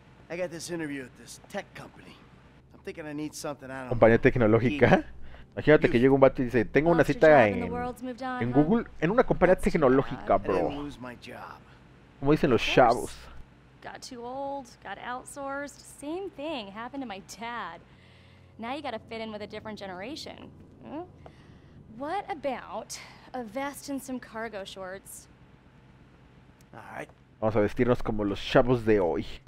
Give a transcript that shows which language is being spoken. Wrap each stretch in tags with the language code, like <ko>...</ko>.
<en>I got this interview at this tech company. I'm thinking I need something. I don't</en> <es>compañía tecnológica. Imagínate que llega un vato y dice, tengo una cita en Google, en una compañía tecnológica, bro. Como dicen los chavos.</es> <en>Got too old, got outsourced, same thing happened to my dad. Now you gotta fit in with a different generation. What about a vest and some cargo shorts?</en> <es>Vamos a vestirnos como los chavos de hoy.</es>